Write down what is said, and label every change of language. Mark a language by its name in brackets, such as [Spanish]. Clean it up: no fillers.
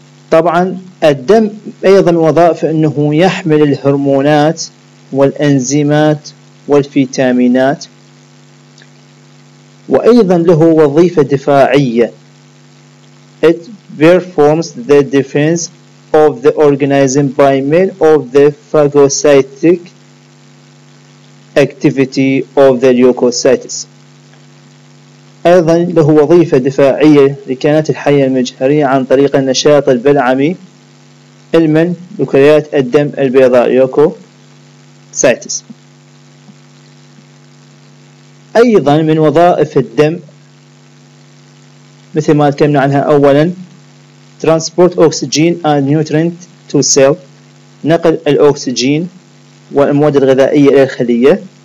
[Arabic] طبعا الدم أيضا وظائف أنه يحمل الهرمونات والأنزيمات والفيتامينات، وأيضا له وظيفة دفاعية. [English] It performs the defense of the organism by means of the phagocytic activity of the leukocytes. [Arabic] أيضا له وظيفة دفاعية لكائنات الحية المجهرية عن طريق النشاط البلعمي المن لكريات الدم البيضاء leukocytes. أيضا من وظائف الدم مثل ما تكلمنا عنها أولا [English] transport oxygen and nutrient to cell، [Arabic] نقل الأكسجين والمواد الغذائية إلى الخلية.